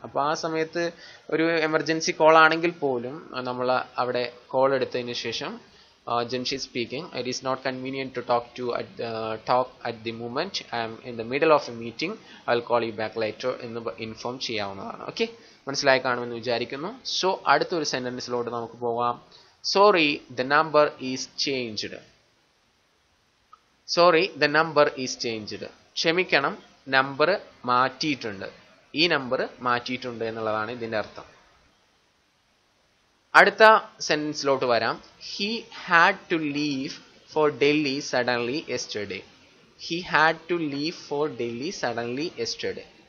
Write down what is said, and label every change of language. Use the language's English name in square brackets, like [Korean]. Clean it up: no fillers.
[Malayalam] അപ്പോൾ ആ സമയത്ത് ഒരു എമർജൻസി കോൾ ആണെങ്കിൽ പോലും നമ്മൾ അവിടെ കോൾ എടുത്തതിന് ശേഷം, Jamsheed speaking, [English] it is not convenient to talk to at talk at the moment, I am in the middle of a meeting, I will call you back later [Malayalam] എന്ന് ഇൻഫോം ചെയ്യാവുന്നതാണ്. Okay, മനസ്സിലായി കാണുമെന്ന് വിചാരിക്കുന്നു. സോ അടുത്തൊരു സെൻറ്റൻസിലോട്ട് നമുക്ക് പോകാം. [English] Sorry, the number is changed. Sorry, the number is changed. [Malayalam] ക്ഷമിക്കണം, number മാറ്റിയിട്ടുണ്ട്. ഈ നമ്പർ മാറ്റിയിട്ടുണ്ട് എന്നുള്ളതാണ് ഇതിൻ്റെ അർത്ഥം. അടുത്ത സെൻറ്റൻസിലോട്ട് വരാം. [English] He had to leave for Delhi suddenly yesterday. He had to leave for Delhi suddenly yesterday.